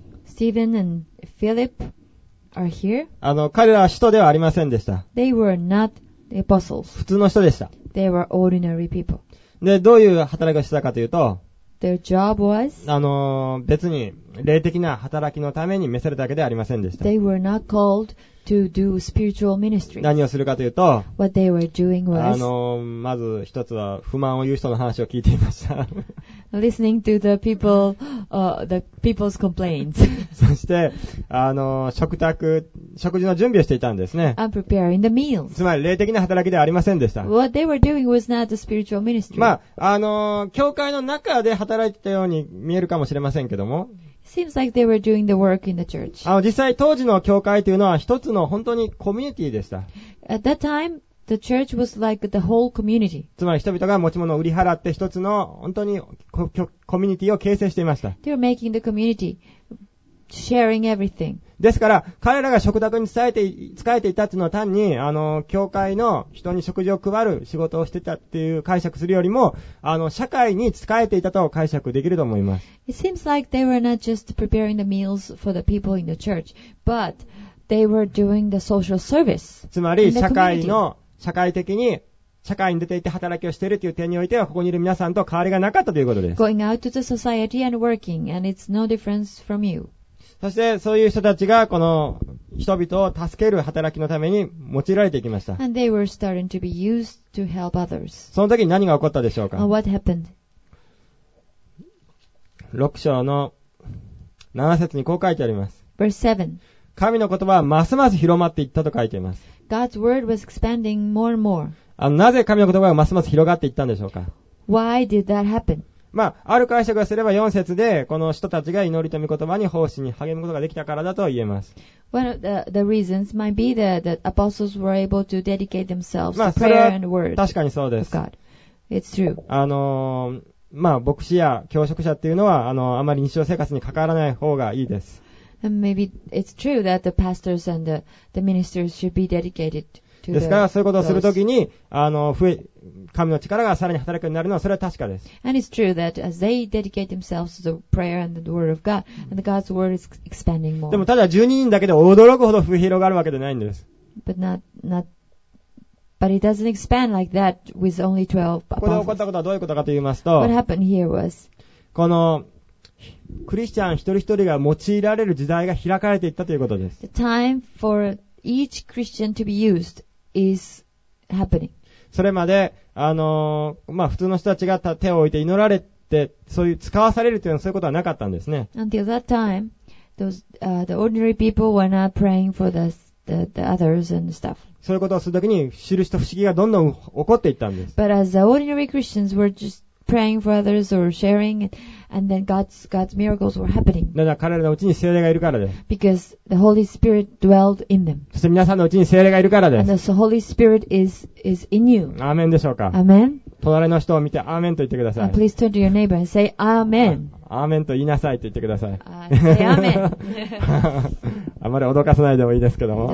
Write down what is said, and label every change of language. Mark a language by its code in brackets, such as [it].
[en] スティーブン and Philip are here. [ja] 彼らは使徒ではありませんでした。 [en] They were not the apostles. [ja] 普通の人でした。 [en] They were ordinary people. [ja] で、どういう働きをしたかというと、 [en] Their job was [ja] 別に霊的な働きのために召されたわけではありませんでした。 [en] They were not called to do spiritual ministry. [ja] 何をするかというと、 [en] What they were doing was [ja] まず一つは不満を言う人の話を聞いていました。 [en] Listening to the people, the people's complaints. [ja] そして、食事の準備をしていたんですね。 [en] I'm preparing the meals. [ja] つまり、霊的な働きではありませんでした。 [en] What they were doing was not a spiritual ministry. [ja] まあ、教会の中で働いていたように見えるかもしれませんけども。 [en] Seems like they were doing the work in the church. [ja] 実際、当時の教会というのは一つの本当にコミュニティでした。 [en] At that time,The church was like the whole community. [ja] つまり人々が持ち物を売り払って一つの本当にコミュニティを形成していました。 [en] They were making the community, sharing everything. [ja] ですから彼らが食卓に仕えていたというのは単に教会の人に食事を配る仕事をしていたという解釈するよりも社会に仕えていたと解釈できると思います。 [en] It seems like they were not just preparing the meals for the people in the church, but they were doing the social service. [ja] つまり社会に出ていて働きをしているという点においては、ここにいる皆さんと変わりがなかったということです。 [en] Going out to the society and working, and it's no difference from you. [ja] そして、そういう人たちが、この人々を助ける働きのために用いられていきました。 [en] And they were starting to be used to help others. [ja] その時に何が起こったでしょうか。 [en] What happened? [ja] 6章の7節にこう書いてあります。 [en] Verse 7. [ja] 神の言葉はますます広まっていったと書いています。 [en] God's word was expanding more and more. [ja] なぜ神の言葉がますます広がっていったんでしょうか。 [en] Why did that happen? [ja] まあ、ある解釈がすれば4節で、この人たちが祈りと御言葉に奉仕に励むことができたからだと言えます。 [en] One of the reasons might be that the apostles were able to dedicate themselves to prayer and word. [ja] 確かにそうです。 [en] God. It's true. [ja] まあ、牧師や教職者っていうのは、あまり日常生活に関わらない方がいいです。 [en] And maybe it's true that the pastors and the ministers should be dedicated to those. [ja] ですから、そういうことをするときに、神の力がさらに働くようになるのは、それは確かです。 [en] And it's true that as they dedicate themselves to the prayer and the word of God, and God's word is expanding more. [ja] でも、ただ12人だけで驚くほど増え広がるわけではないんです。 [en] But it doesn't expand like that with only 12 apostles. [ja] ここで起こったことはどういうことかと言いますと、 [en] What happened here was, [ja] このクリスチャン一人一人が用いられる時代が開かれていったということです。 [en] The time for each Christian to be used is happening. [ja] それまで、まあ、普通の人たちが手を置いて祈られて、そういう使わされるというのはそういうことはなかったんですね。 [en] Until that time, the ordinary people were not praying for the others and stuff. [ja] そういうことをするときに、印と不思議がどんどん起こっていったんです。 [en] But as the ordinary Christians were just praying for others or sharing it, And then God's miracles were happening. [ja] だから彼らのうちに聖霊がいるからです。 [en] Because the Holy Spirit dwelled in them. [ja] そして皆さんのうちに聖霊がいるからです。 [en] And the Holy Spirit is in you. [ja] アーメンでしょうか。アーメン。隣の人を見てアーメンと言ってください。 [en] Please turn to your neighbor and say Amen. [ja] アーメンと言いなさいと言ってください。 [en] Say Amen. [ja] あまり脅かさないでもいいですけども。